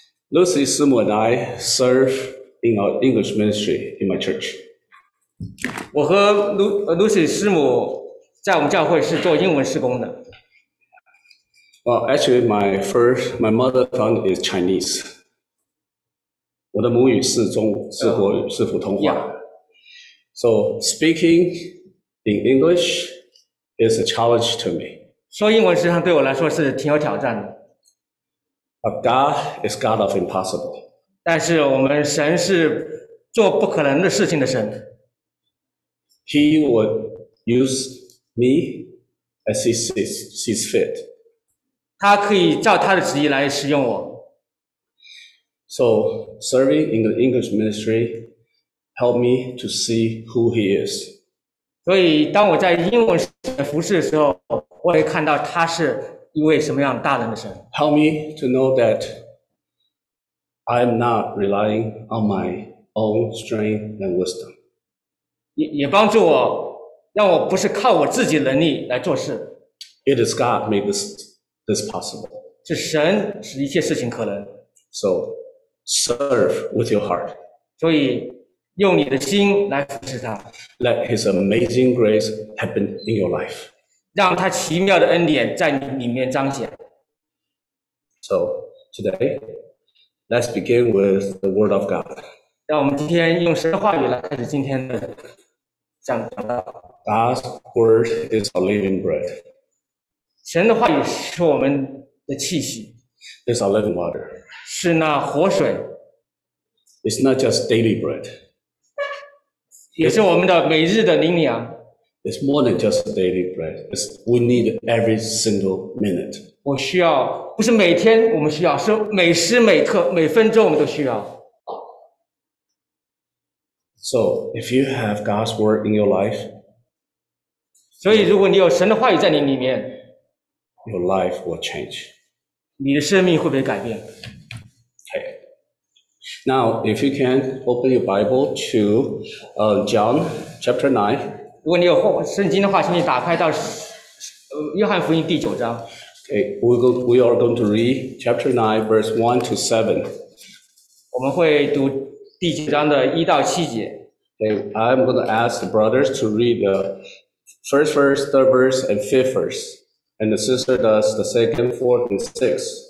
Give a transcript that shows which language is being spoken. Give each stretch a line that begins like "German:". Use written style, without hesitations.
English: Lucy, Sumo, and I serve in our English ministry in my church.
Chinese: 我和 Lucy 师母在我们教会是做英文事工的。
English: Well, actually, my mother tongue is Chinese.
Chinese: 我的母语是中是国语是普通话。
English: So speaking in English is a challenge to me.
Chinese: 说英文实际上对我来说是挺有挑战的。
English: But God is God of impossible.
Chinese: 但是我们神是做不可能的事情的神。
English: He would use me as he sees fit.
Chinese: 他可以照他的旨意来使用我。
English: So serving in the English ministry helped me to see who he is.
Chinese: 所以当我在英文服事的时候，我会看到他是一位什么样大能的神。
English: Help me to know that I'm not relying on my own strength and wisdom.
Chinese: 也帮助我，让我不是靠我自己能力来做事。
English: It is God made this possible.
Chinese: 是神使一切事情可能。
English: So serve with your heart.
Chinese: 所以用你的心来服侍他。
English: Let His amazing grace happen in your life.
Chinese: 让他奇妙的恩典在你里面彰显。
English: So today, let's begin with the Word of God.
Chinese: 让我们今天用神的话语来开始今天的讲道。
English: God's Word is our living bread.
Chinese: 神的话语是我们的气息。
English: It's our living water.
Chinese: 是那活水。
English: It's not just daily bread.
Chinese: 也是我们的每日的灵粮。
English: It's more than just daily bread. It's we need every single minute.
Chinese: 我需要，不是每天我们需要，是每时每刻每分钟我们都需要。
English: So if you have God's word in your life,
Chinese: 所以如果你有神的话语在你里面，
English: your life will change.
Chinese: 你的生命会不会改变？
English: Okay. Now, if you can open your Bible to John chapter 9.
Chinese: 如果你有圣经的话，请你打开到约翰福音第九章。
English: Okay, we are going to read chapter 9, verse 1 to 7.
Chinese: 我们会读第九章的一到七节。
English: Okay, I'm going to ask the brothers to read the first verse, third verse, and fifth verse. And the sister does the second, fourth, and sixth.